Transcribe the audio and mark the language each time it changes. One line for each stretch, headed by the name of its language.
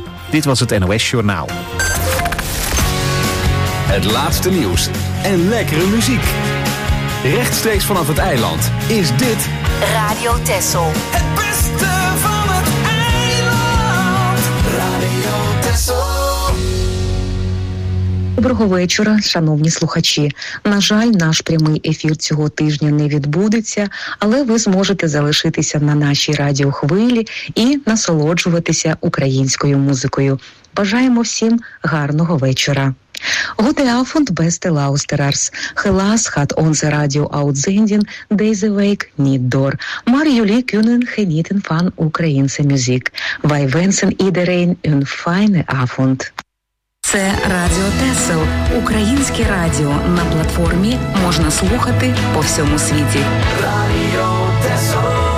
Dutch: Dit was het NOS Journaal. Het laatste nieuws en lekkere muziek. Rechtstreeks vanaf het eiland is dit Radio Texel. Het beste van het eiland. Radio Texel.
Ukrainian: Доброго вечора, шановні слухачі. На жаль, наш прямий ефір цього тижня не відбудеться, але ви зможете залишитися на нашій радіохвилі і насолоджуватися українською музикою. Бажаємо всім гарного вечора.
Dutch: Gute Abend, beste Lausterers. Helaas gaat onze radio uitzending deze week niet door. Maar jullie kunnen genieten van Oekraïense muziek. Wij wensen iedereen een fijne avond.
Ukrainian: Це Радіо Тесел, українське радіо. На платформі можна слухати по всьому світі. Радіо Тесел.